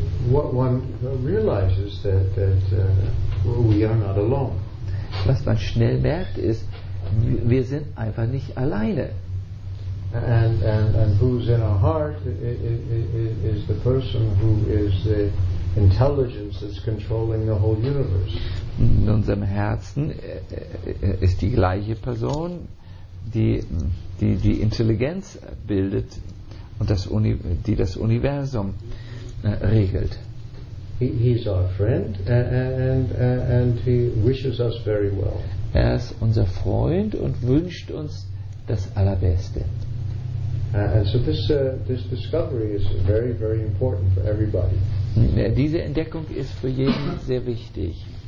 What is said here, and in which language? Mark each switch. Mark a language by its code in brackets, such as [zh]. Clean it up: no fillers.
[en] What one realizes that we are not alone. [de] Was man schnell merkt ist, wir sind einfach nicht alleine. [en] And who's in our heart is the person who is the intelligence that's controlling the whole universe. [de] In unserem Herzen ist die gleiche Person, die Intelligenz bildet und die das Universum regelt. [en] He's our friend and he wishes us very well. [de] Er ist unser Freund und wünscht uns das Allerbeste. [en] And so this discovery is very, very important for everybody. [de] Diese Entdeckung ist für jeden sehr wichtig.